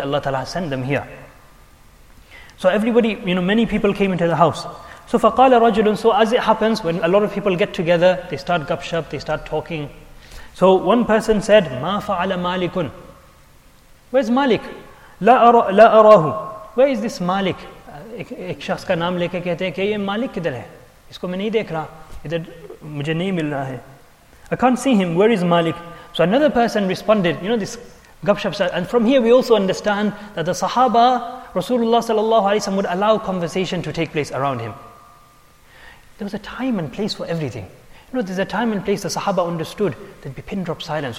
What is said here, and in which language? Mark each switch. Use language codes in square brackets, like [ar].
[en] Allah Ta'ala sent them here. So everybody, you know, many people came into the house. [ar] So فَقَالَ رَجُلٌ. [en] So as it happens, when a lot of people get together, they start gupshup, they start talking. So one person said, [ar] مَا فَعَلَ مَالِكٌ. [en] Where's Malik? [ar] لَا أَرَاهُ. [en] Where is this Malik? [ur] ایک شخص کا نام لے کے کہتے ہیں کہ یہ مالک کدھر ہے؟ اس کو میں نہیں دیکھ رہا. ادھر مجھے نہیں مل رہا ہے. [en] I can't see him. Where is Malik? So another person responded, you know, this gupshup. And from here we also understand that the Sahaba, Rasulullah sallallahu alayhi wa sallam, would allow conversation to take place around him. There was a time and place for everything. You know, there's a time and place the Sahaba understood. There'd be pin drop silence.